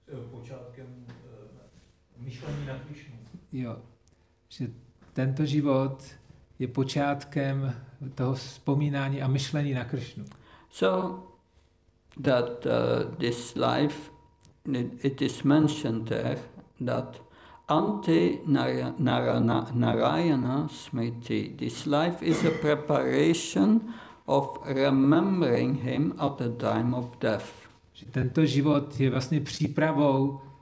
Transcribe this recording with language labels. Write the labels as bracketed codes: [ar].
[cs] počátkem myšlení na Krišnu. Jo, že tento život je počátkem toho vzpomínání a myšlení na Krišnu. [en] So that this life it is mentioned there that [sa] ante narayana smriti, [en] this life is a preparation of remembering him at the time of death. [cs] Že tento život je vlastně přípravou